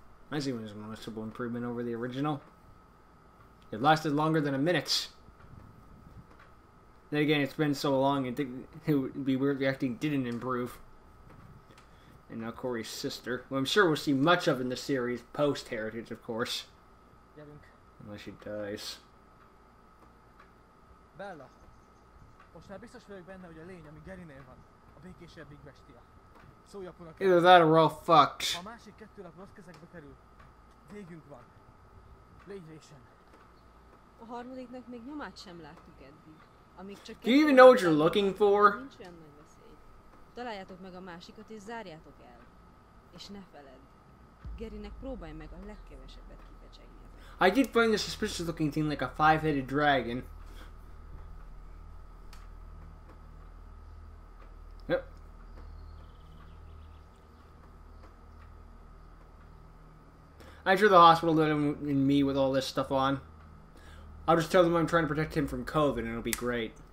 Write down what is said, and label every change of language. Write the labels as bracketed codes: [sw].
[en] I see it was a noticeable improvement over the original. It lasted longer than a minute. Then again, it's been so long, it would be weird if the acting didn't improve. And now Corey's sister, who I'm sure we'll see much of in the series post-Heritage, of course. [hu] Jövünk. [en] Unless she dies. [hu] Bella, most már biztos vagyok benne, hogy a lény, ami Gerinél van, a békésebbik bestia. [en] Either that or we're all fucked. [hu] A másik kettő lap rossz kezekbe kerül. Végünk van. Légyésen. A harmadiknak még nyomát sem láttuk eddig. Amíg csak [en] do you even know what you're looking for? [hu] Nincs olyan nagy veszély. Találjátok meg a másikat és zárjátok el. És ne feledd. Gerinek próbálj meg a legkevesebbet kipecsegni. [en] I did find this suspicious looking thing like a five-headed dragon. I'm sure the hospital let him and me with all this stuff on. I'll just tell them I'm trying to protect him from COVID and it'll be great.